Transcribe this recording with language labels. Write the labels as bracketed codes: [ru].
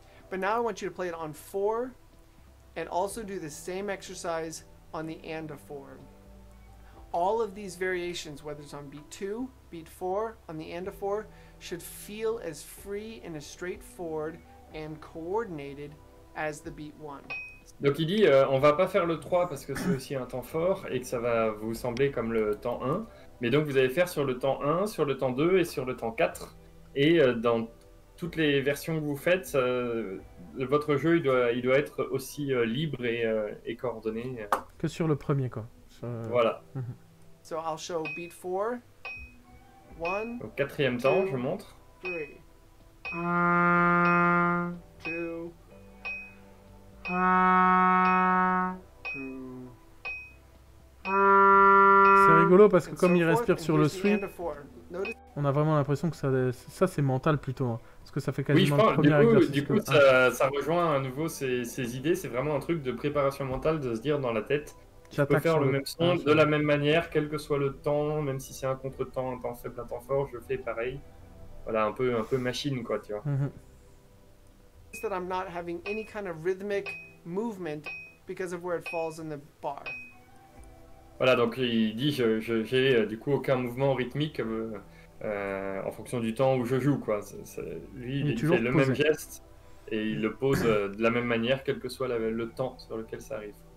[en] But now I want you to play it on four and also do the same exercise on the and of four. All of these variations, whether it's on beat two, beat four, on the and of four, should feel as free and as straightforward and coordinated as the beat one. [fr] Donc il dit, on va pas faire le 3 parce que c'est aussi un temps fort et que ça va vous sembler comme le temps 1. Mais donc vous allez faire sur le temps 1, sur le temps 2 et sur le temps 4. Et dans toutes les versions que vous faites, votre jeu il doit être aussi libre et coordonné. Que sur le premier quoi. Voilà. [en] So I'll show beat 4. 1. [fr] Au quatrième temps, je montre. [en] 3. 2. [fr] C'est rigolo parce que comme il respire sur le sweep, on a vraiment l'impression que ça c'est mental plutôt, hein, parce que ça fait quasiment oui, je crois, le premier exercice. Du coup que... ça rejoint à nouveau ces idées, c'est vraiment un truc de préparation mentale de se dire dans la tête, j'attaque, je peux faire le même son de la même manière, quel que soit le temps, même si c'est un contre-temps, un temps faible, un temps fort, je fais pareil. Voilà, un peu machine quoi, tu vois. [en] That I'm not having any kind of rhythmic movement because of where it falls in the bar. [fr] Voilà, donc il dit j'ai du coup aucun mouvement rythmique en fonction du temps où je joue quoi. C'est, lui il fait le même geste et il le pose de la même manière quel que soit le temps sur lequel ça arrive.